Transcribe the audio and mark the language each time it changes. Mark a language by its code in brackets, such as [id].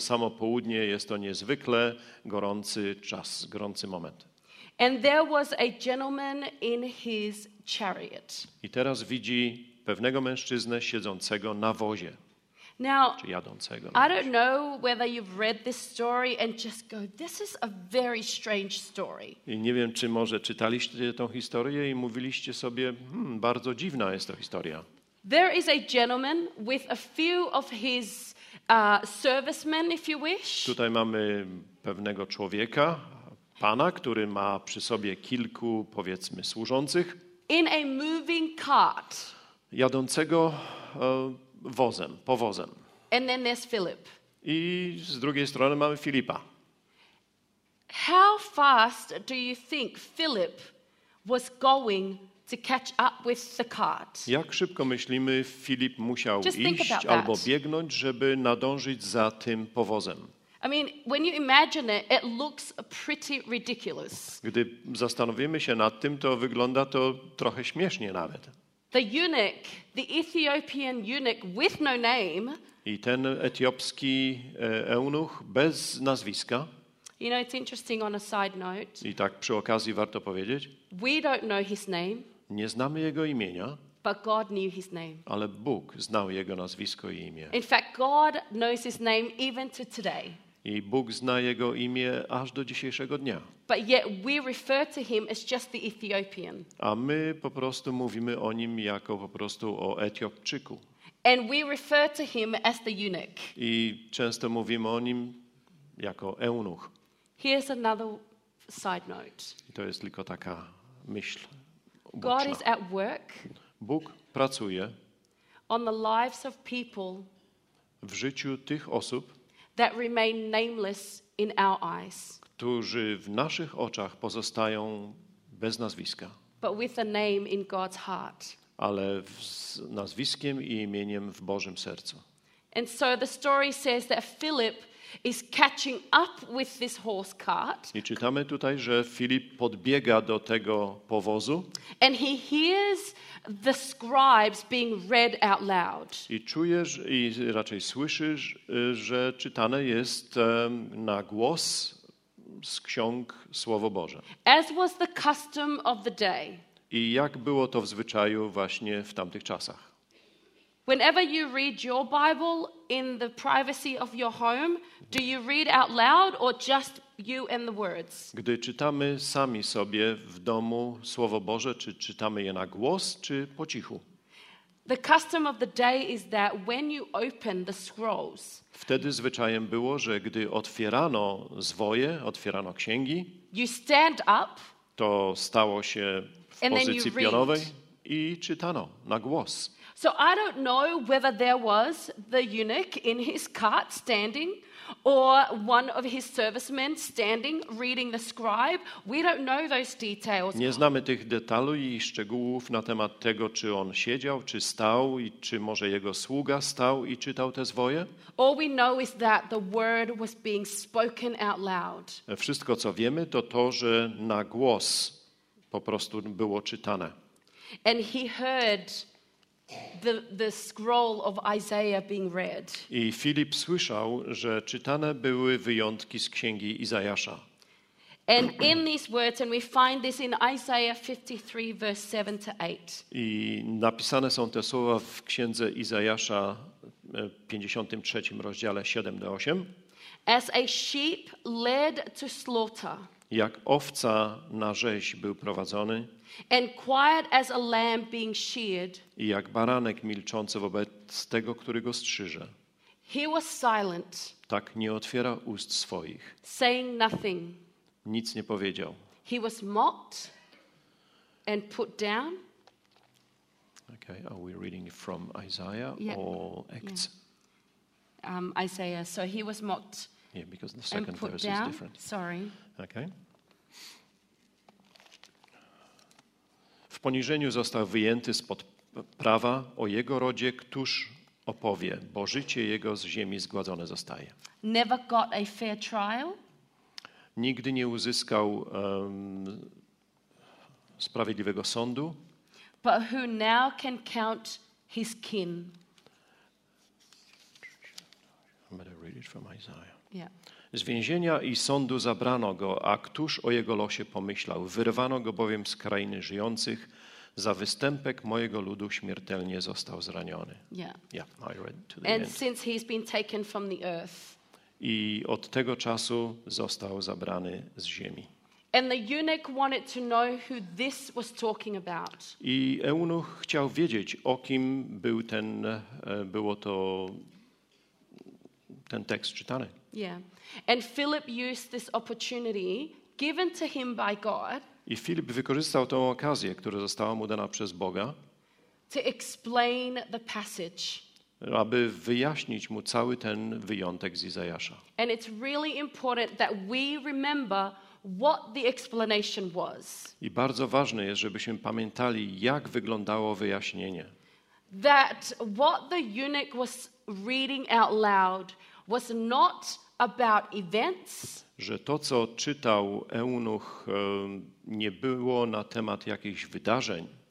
[pl] Samo południe jest to niezwykle gorący czas, gorący moment. [en] And there was a gentleman in his chariot. [pl] I teraz widzi pewnego mężczyznę siedzącego na wozie. [en] Now, [pl] czy jadącego. [en] I don't know whether you've read this story and just go, this is a very strange story. [pl] I nie wiem, czy może czytaliście tę historię i mówiliście sobie, bardzo dziwna jest to historia. [en] There is a gentleman with a few of his servicemen, if you wish. [pl] Tutaj mamy pewnego człowieka, pana, który ma przy sobie kilku, powiedzmy, służących. [en] In a moving cart. [pl] Jadącego wozem, powozem. [en] And then there's Philip. [pl] I z drugiej strony mamy Filipa. [en] How fast do you think Philip was going to catch up with the cart? [pl] Jak szybko myślimy, Filip musiał iść albo biegnąć, żeby nadążyć za tym powozem? [en] I mean, when you imagine it, it looks pretty ridiculous. [pl] Gdy zastanowimy się nad tym, to wygląda to trochę śmiesznie nawet. [en] The eunuch, the Ethiopian eunuch with no name. [pl] I ten etiopski eunuch bez nazwiska. [en] You know, it's interesting on a side note. [pl] I tak przy okazji warto powiedzieć. [en] We don't know his name. [pl] Nie znamy jego imienia. [en] But God knew his name. [pl] Ale Bóg znał jego nazwisko i imię. [en] In fact, God knows his name even to today. [pl] I Bóg zna jego imię aż do dzisiejszego dnia. [en] But yet we refer to him as just the Ethiopian. [pl] A my po prostu mówimy o nim jako po prostu o Etiopczyku. [en] And we refer to him as the eunuch. [pl] I często mówimy o nim jako eunuch. [en] Here's another side note. [pl] I to jest tylko taka myśl uboczna. [en] God is at work. [pl] Bóg pracuje [en] on the lives of people [pl] w życiu tych osób, [en] that remain nameless in our eyes. [pl] Którzy w naszych oczach pozostają bez nazwiska. [en] But with a name in God's heart. [pl] Ale z nazwiskiem i imieniem w Bożym sercu. [en] And so the story says that Philip is catching up with this horse cart. [pl] I czytamy tutaj, że Filip podbiega do tego powozu. [en] And he hears the scribes being read out loud. [pl] I czujesz i raczej słyszysz, że czytane jest na głos z ksiąg Słowo Boże. [en] As was the custom of the day. [pl] I jak było to w zwyczaju właśnie w tamtych czasach. [en] Whenever you read your Bible in the privacy of your home, do you read out loud or just you and the words? [pl] Gdy czytamy sami sobie w domu Słowo Boże, czy czytamy je na głos, czy po cichu? [en] The custom of the day is that when you open the scrolls. [pl] Wtedy zwyczajem było, że gdy otwierano zwoje, otwierano księgi, [en] you stand up. [pl] To stało się w pozycji pionowej i czytano na głos. [en] So I don't know whether there was the eunuch in his cart standing or one of his servicemen standing reading the scribe. We don't know those details. [pl] Nie znamy tych detali i szczegółów na temat tego, czy on siedział, czy stał i czy może jego sługa stał i czytał te zwoje. [en] All we know is that the word was being spoken out loud. [pl] Wszystko co wiemy to to, że na głos po prostu było czytane. [en] And he heard the scroll of Isaiah being read. [pl] I Filip słyszał, że czytane były wyjątki z księgi Izajasza. [en] And in these words, and we find this in Isaiah 53, verse 7 to 8. [pl] I napisane są te słowa w księdze Izajasza 53 rozdziale 7 do 8. [en] As a sheep led to slaughter. [pl] Jak owca na rzeź był prowadzony. [en] And quiet as a lamb being sheared. [pl] I jak baranek milczący wobec tego, który go strzyże. [en] He was silent. [pl] Tak nie otwiera ust swoich. [en] Saying nothing. [pl] Nic nie powiedział. [en] He was mocked and put down. Okay, are we reading from Isaiah or Acts? Yeah. Isaiah. So he was mocked. Yeah, because the second verse is different. Sorry. Okay. [pl] W poniżeniu został wyjęty spod prawa, o jego rodzie któż opowie, bo życie jego z ziemi zgładzone zostaje. [en] Never got a fair trial. [pl] Nigdy nie uzyskał sprawiedliwego sądu. [en] But who now can count his kin? I'm going to read it from Isaiah. Yeah. [pl] Z więzienia i sądu zabrano go, a któż o jego losie pomyślał? Wyrwano go bowiem z krainy żyjących, za występek mojego ludu śmiertelnie został zraniony. [en] Yeah. Yeah, And since he's been taken from the earth. [pl] I od tego czasu został zabrany z ziemi. [en] And the eunuch wanted to know who this was talking about. [pl] I eunuch chciał wiedzieć, o kim był ten, było to ten tekst czytany. [en] Yeah. And Philip used this opportunity given to him by God. [pl] I Filip wykorzystał tę okazję, która została mu dana przez Boga, [en] to explain the passage. [pl] Aby wyjaśnić mu cały ten wyjątek z Izajasza. [en] And it's really important that we remember what the explanation was. [pl] I bardzo ważne jest, żebyśmy pamiętali, jak wyglądało wyjaśnienie. [en] That what the eunuch was reading out loud was not about events, [pl] że to, co czytał eunuch, nie było na temat jakichś wydarzeń,